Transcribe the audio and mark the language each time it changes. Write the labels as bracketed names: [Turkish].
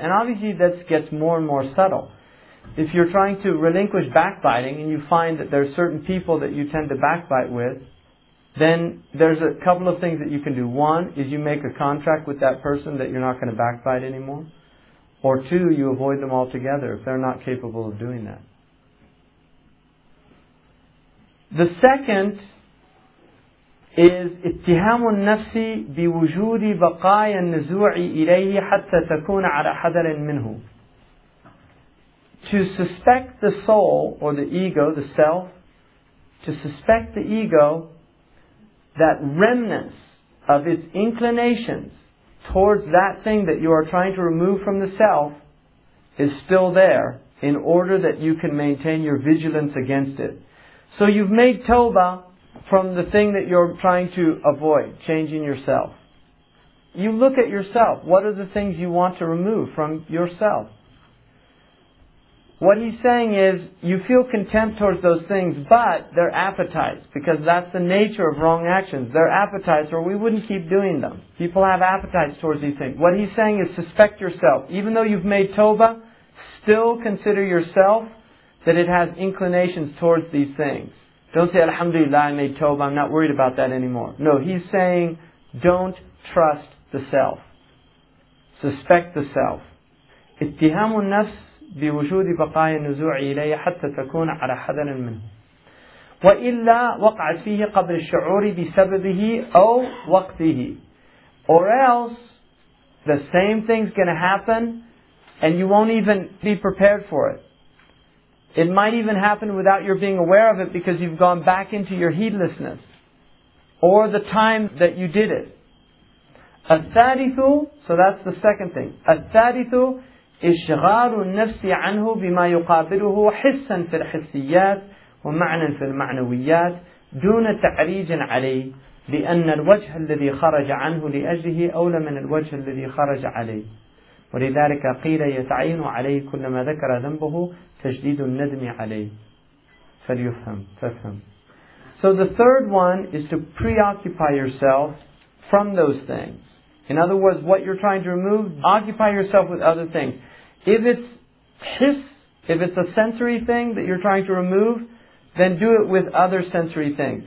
[English] And obviously that gets more and more subtle. If you're trying to relinquish backbiting and you find that there are certain people that you tend to backbite with, then there's a couple of things that you can do. One is you make a contract with that person that you're not going to backbite anymore. Or two, you avoid them altogether if they're not capable of doing that. The second is [Arabic] اتهام النفس بوجود بقايا النزوع إليه حتى تكون على حذر منه. [English] To suspect the soul or the ego, the self, to suspect the ego that remnants of its inclinations towards that thing that you are trying to remove from the self is still there in order that you can maintain your vigilance against it. So you've made tawbah from the thing that you're trying to avoid, changing yourself. You look at yourself. What are the things you want to remove from yourself? What he's saying is, you feel contempt towards those things, but they're appetites, because that's the nature of wrong actions. They're appetites, or we wouldn't keep doing them. People have appetites towards these things. What he's saying is, suspect yourself. Even though you've made tawbah, still consider yourself that it has inclinations towards these things. Don't say, alhamdulillah, I made tawbah, I'm not worried about that anymore. No, he's saying, don't trust the self. Suspect the self. [Arabic] اتهام النفس بوجود بقايا النزوع إليه حتى تكون على حذر منه وإلا وقعت فيه قبل الشعور بسببه أو وقته. [English] Or else the same thing's going to happen and you won't even be prepared for it. It might even happen without your being aware of it, because you've gone back into your heedlessness or the time that you did it. [Arabic] الثالث, [English] so that's the second thing. [Arabic] الثالث إشغال النفس عنه بما يقابله حسا في الحسيات ومعنى في المعنويات دون تعريج عليه لأن الوجه الذي خرج عنه لأجله أولى من الوجه الذي خرج عليه ولذلك قيل يتعين عليه كلما ذكر ذنبه تجديد الندم عليه فليفهم تفهم. [English] So the third one is to preoccupy yourself from those things. In other words, what you're trying to remove, occupy yourself with other things. If it's his, if it's a sensory thing that you're trying to remove, then do it with other sensory things.